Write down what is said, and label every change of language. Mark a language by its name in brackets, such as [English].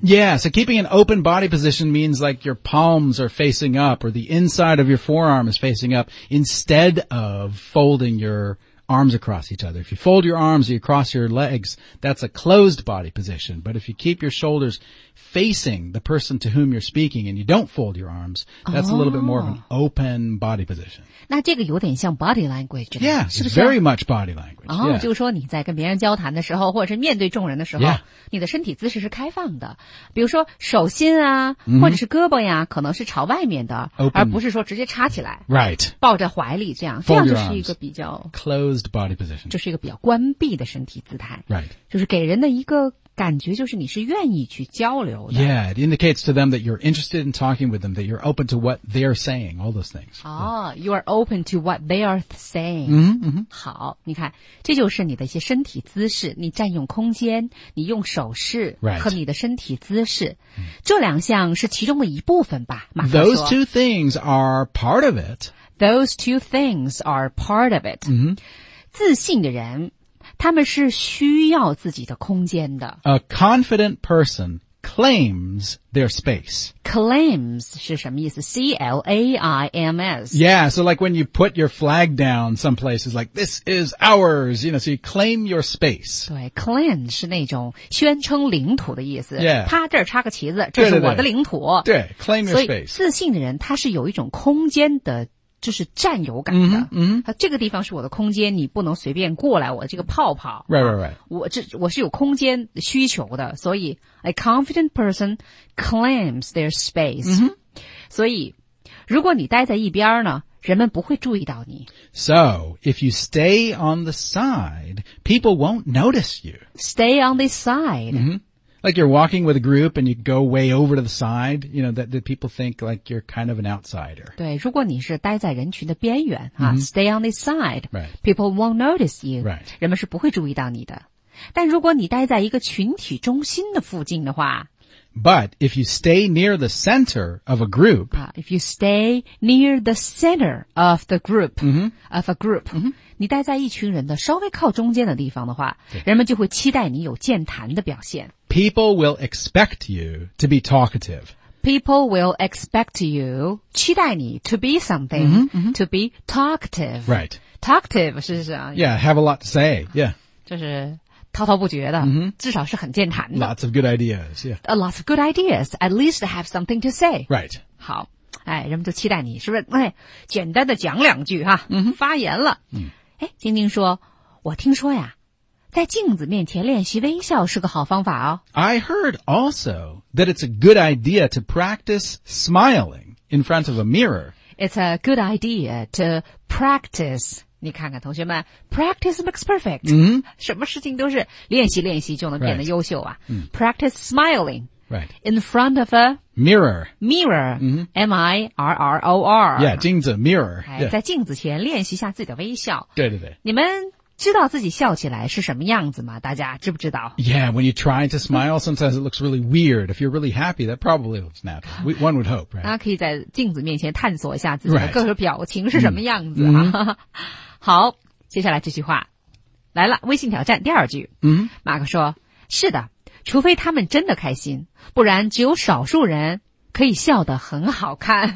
[English] Yeah, so keeping an open body position means like your palms are facing up or the inside of your forearm is facing up instead of folding your arms across each other. If you fold your arms or you cross your legs, that's a closed body position. But if you keep your shoulders facing the person to whom you're speaking and you don't fold your arms, that's a little bit more of an open body position. [Chinese] 那这个有点像 body language. [English] Yeah, it's very much body language. [Chinese] 哦、 [English] yeah. [Chinese] 就是说你在跟别人交谈的时候或者是面对众人的时候、 [English] yeah. [Chinese] 你的身体姿势是开放的。比如说手心啊、 [English] mm-hmm. [Chinese] 或者是胳膊呀可能是朝外面的、 [English] open. [Chinese] 而不是说直接插起来。 [English] Right. [Chinese] 抱着怀里这样。 [English] Fold、 [Chinese] 这样就是一个比较 [English] closed body position. [Chinese] 这是一个比较关闭的身体姿态。 [English] Right. [Chinese] 就是给人的一个感觉就是你是愿意去交流的。 [English] Yeah, it indicates to them that you're interested in talking with them, that you're open to what they're saying, all those things.、 Yeah. Oh, you are open to what they are saying. Mm-hmm, mm-hmm. [Chinese] 好,你看,这就是你的一些身体姿势,你占用空间,你用手势和你的身体姿势。 [English] Right. [Chinese] 这两项是其中的一部分吧,马克说。 [English] Those two things are part of it. Those two things are part of it.、 Mm-hmm. [Chinese] 自信的人他们是需要自己的空间的。 [English] A confident person claims their space. [Chinese] Claims 是什么意思 ?C-L-A-I-M-S. [English] Yeah, so like when you put your flag down some places, like, this is ours, you know, so you claim your space. [Chinese] 对 ,claim 是那种宣称领土的意思。 [English] Yeah. [Chinese] 他这儿插个旗子这是我的领土。对, 对, 对, 对 , [English] claim your space. [Chinese] 自信的人他是有一种空间的就是占有感的。 [English] 嗯、mm-hmm. [Chinese] 这个地方是我的空间你不能随便过来我这个泡泡。 [English] Right, right, right. [Chinese] 我是有空间需求的所以 , [English] a confident person claims their space.、 Mm-hmm. [Chinese] 所以如果你待在一边呢人们不会注意到你。 [English] So, if you stay on the side, people won't notice you. Stay on the side.、 Mm-hmm. Like you're walking with a group and you go way over to the side, you know, that people think like you're kind of an outsider. [Chinese] 对如果你是待在人群的边缘、mm-hmm. [English] stay on the side,、 right. people won't notice you,、 right. [Chinese] 人们是不会注意到你的。但如果你待在一个群体中心的附近的话 [English] But if you stay near the center of a group,、 if you stay near the center of the group,、 mm-hmm. of a group,、 mm-hmm. [Chinese] 你待在一群人的稍微靠中间的地方的话人们就会期待你有健谈的表现。 [English] People will expect you to be talkative. People will expect you, [Chinese] 期待你 [English] to be something, mm-hmm, mm-hmm. to be talkative. Right. [Chinese] Talkative, 是不是 [English] Yeah, have a lot to say, yeah. [Chinese] 就是滔滔不绝的、 [English] mm-hmm. [Chinese] 至少是很健谈的。 [English] Lots of good ideas, yeah. Lots of good ideas, at least have something to say. Right. [Chinese] 好、哎、人们就期待你是不是、哎、简单的讲两句哈、 [English] mm-hmm. [Chinese] 发言了。 [English] Mm-hmm. [Chinese] 哎，晶晶说，我听说呀，在镜子面前练习微笑是个好方法哦。 [English] I heard also that it's a good idea to practice smiling in front of a mirror. It's a good idea to practice. [Chinese] 你看看同学们 [English] ,practice makes perfect.、 Mm-hmm. [Chinese] 什么事情都是练习练习就能变得优秀啊。 [English] Right. Mm-hmm. Practice smiling. Right. In front of a mirror. Mirror.、 Mm-hmm. M-I-R-R-O-R. Yeah, 镜子 mirror.、Yeah. [Chinese] 在镜子前练习一下自己的微笑。对对对。你们知道自己笑起来是什么样子吗大家知不知道 [English] Yeah, when you try to smile, sometimes it looks really weird. If you're really happy, that probably looks natural. One would hope, right? [Chinese] 大家可以在镜子面前探索一下自己的各种表情是什么样子、 [English] right. Mm-hmm. [Chinese] 好接下来这句话。来了微信挑战第二句。 [English] 嗯、mm-hmm.。 [Chinese] 马克说是的。除非他们真的开心不然只有少数人可以笑得很好看。